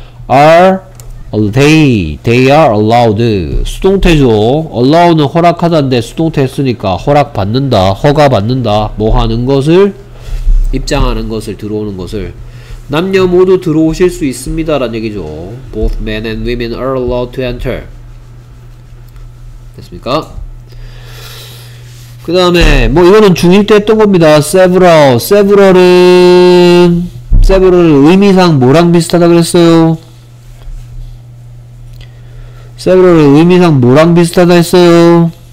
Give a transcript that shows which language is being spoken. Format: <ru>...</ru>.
<en>Are they? They are allowed.</en> <ko>수동태죠. Allow는 허락하다인데 수동태 했으니까 허락받는다. 허가받는다. 뭐 하는 것을? 입장하는 것을. 들어오는 것을. 남녀 모두 들어오실 수 있습니다. 라는 얘기죠.</ko> <en>Both men and women are allowed to enter.</en> <ko>됐습니까? 그 다음에 뭐 이거는 중1 때 했던 겁니다. several은 의미상 뭐랑 비슷하다 그랬어요? several은 의미상 뭐랑 비슷하다 했어요?</ko>